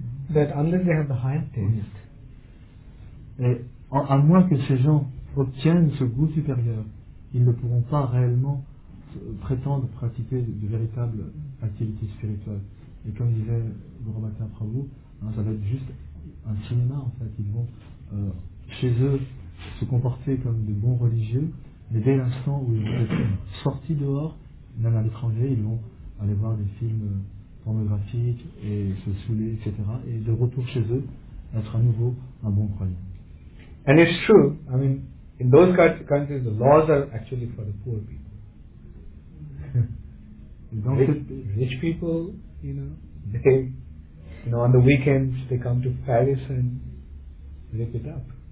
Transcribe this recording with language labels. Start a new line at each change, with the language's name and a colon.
English: That unless they have the higher taste.
French: Et à moins que ces gens obtiennent ce goût supérieur, ils ne pourront pas réellement prétendre pratiquer de véritables activités spirituelles. Et comme disait Guru Matin Prabhu, ça va être juste un cinéma en fait. Ils vont chez eux se comporter comme de bons religieux, mais dès l'instant où ils vont être sortis dehors, même à l'étranger, ils vont aller voir des films pornographiques et se saouler, etc. Et de retour chez eux, être à nouveau un bon croyant.
English: And it's true, I mean, in those countries, the laws are actually for the poor people. Rich people, you know, they, you know, on the weekends they come to Paris and rip it up.